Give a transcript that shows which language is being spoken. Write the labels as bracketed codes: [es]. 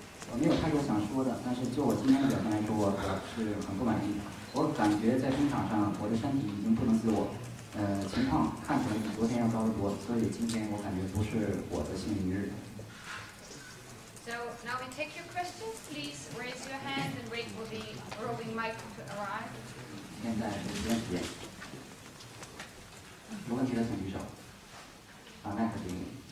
[zh] 我没有太多想说的，但是就我今天的表现来说，我是很不满意。我感觉在冰场上，我的身体已经不能自我，情况看起来比昨天要高得多，所以今天我感觉不是我的幸运日。 [en] So now we take your questions. Please raise your hand and wait for the roving mic to arrive. [zh] 现在时间，有问题的请举手。好，麦克给你。